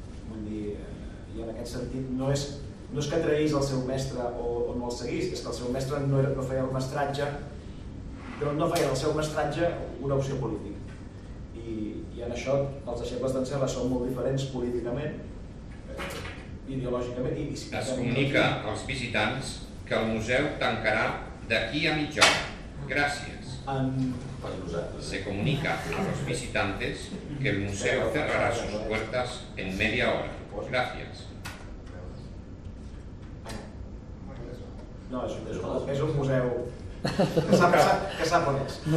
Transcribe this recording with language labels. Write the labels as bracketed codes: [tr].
[ca] Vull dir, i en aquest sentit no és que traïs el seu mestre o no el seguís, és que el seu mestre no feia el mestratge, però no feia el seu mestratge una opció política. I en això els deixebles d'en Serra són molt diferents políticament, ideològicament. I es comunica als visitants que el museu tancarà d'aquí a mitja hora. Gràcies. [es] Se comunica a los visitantes que el museo cerrará sus puertas en media hora. Gracias. [ca] No, és un museu que sap on és.